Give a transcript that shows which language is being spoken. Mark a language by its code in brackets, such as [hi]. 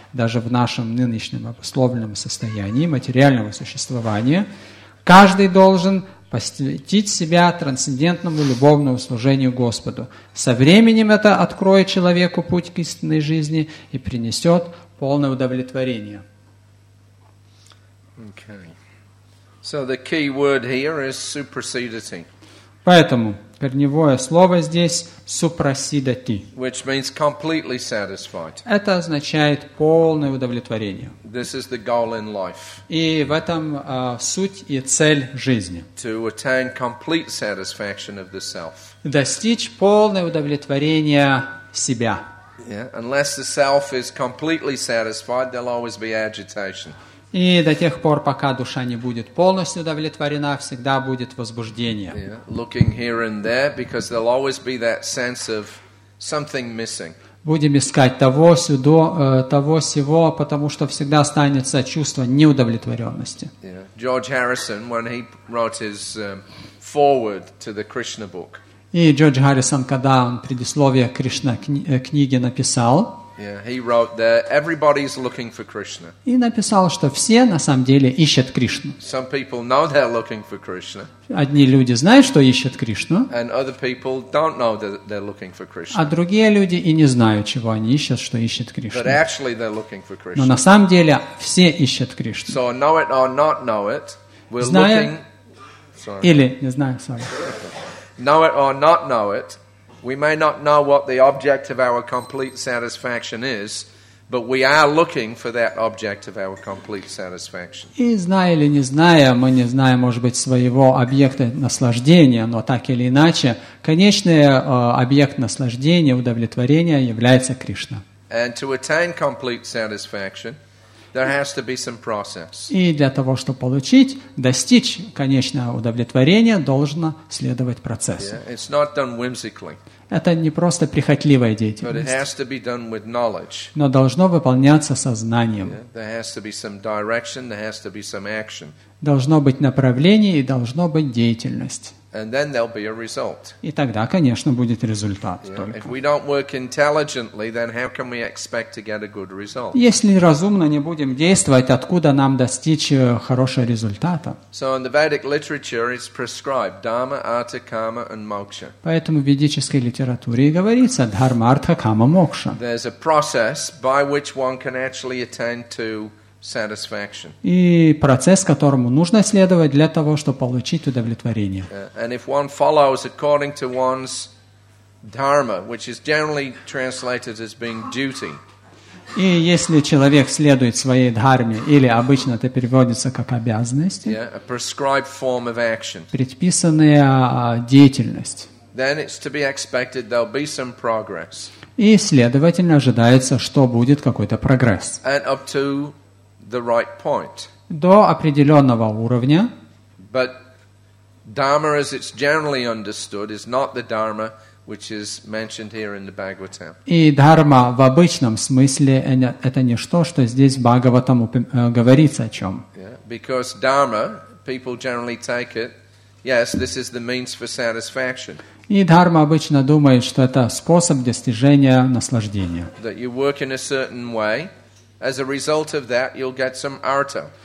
[ru] Даже в нашем нынешнем обусловленном состоянии материального существования каждый должен посвятить себя трансцендентному любовному служению Господу. Со временем это откроет человеку путь к истинной жизни и принесет полное удовлетворение. [en] Okay. So the key word here is supersedity. [ru] Поэтому корневое слово здесь supersedity. [en] Which means completely satisfied. [ru] Это означает полное удовлетворение. [en] This is the goal in life. [ru] И в этом суть и цель жизни. [en] To attain complete satisfaction of the self. [ru] Достичь полное удовлетворение себя. [en] Yeah, unless the self is completely satisfied, there'll always be agitation. [ru] И до тех пор, пока душа не будет полностью удовлетворена, всегда будет возбуждение. [en] Looking here and there, because there'll always be that sense of something missing. [ru] Будем искать того сюда, того сего, потому что всегда останется чувство неудовлетворенности. [en] George Harrison, when he wrote his foreword to the Krishna book. [ru] И Джордж Харрисон, когда он предисловие Кришна книги написал, [en] yeah, he wrote that everybody's looking for Krishna. [ru] И написал, что все на самом деле ищут Кришну. [en] Some people know they're looking for Krishna. [ru] Одни люди знают, что ищут Кришну. [en] And other people don't know that they're looking for Krishna. [ru] А другие люди и не знают, чего они ищут, что ищут Кришну. [en] But actually they're looking for Krishna. [ru] Но на самом деле все ищут Кришну. [en] So know it or not know it, we're [ru] зная... [en] looking. Sorry. [ru] Или не знаю, [en] sorry. Know it or not know it, we may not know what the object of our complete satisfaction is, but we are looking for that object of our complete satisfaction. [ru] И зная или не зная, мы не знаем, может быть, своего объекта наслаждения, но так или иначе, конечный объект наслаждения, удовлетворения является Кришна. [en] And to attain complete satisfaction, there has to be some process. [ru] И для того, чтобы получить, достичь конечного удовлетворения, должно следовать процессу. [en] Yeah, it's not done whimsically. [ru] Это не просто прихотливая деятельность. [en] But it has to be done with knowledge. [ru] Но должно выполняться со знанием. [en] Yeah, there has to be some direction, there has to be some action. [ru] Должно быть направление и должно быть деятельность. [en] And then there'll be a result. [ru] И тогда, конечно, будет результат. [en] If we don't work intelligently, then how can we expect to get a good result? [ru] Если разумно не будем действовать, откуда нам достичь хорошего результата? [en] So in the Vedic literature, it's prescribed dharma, artha, karma, and moksha. [ru] Поэтому в ведической литературе и говорится дхарма, артха, кама, мокша. [en] There's a process by which one can actually attain to. [ru] И процесс, которому нужно следовать для того, чтобы получить удовлетворение. [en] And if one follows according to one's dharma, which is generally translated as being duty. [ru] И если человек следует своей дхарме, или обычно это переводится как обязанности, [en] yeah, a prescribed form of action, [ru] предписанная деятельность, [en] then it's to be expected there'll be some progress. [ru] И, следовательно, ожидается, что будет какой-то прогресс. [en] And up to the right point. [ru] До определенного уровня. [en] But dharma, as it's generally understood, is not the dharma which is mentioned here in the Bhagavatam. [ru] И дхарма в обычном смысле это не что, что здесь в Бхагаватам говорится о чем. [en] Yeah, because dharma, people generally take it, yes, this is the means for satisfaction. [ru] И дхарма обычно думает, что это способ достижения наслаждения. [en] That you work in a certain way, as a result of that, you'll get some artha.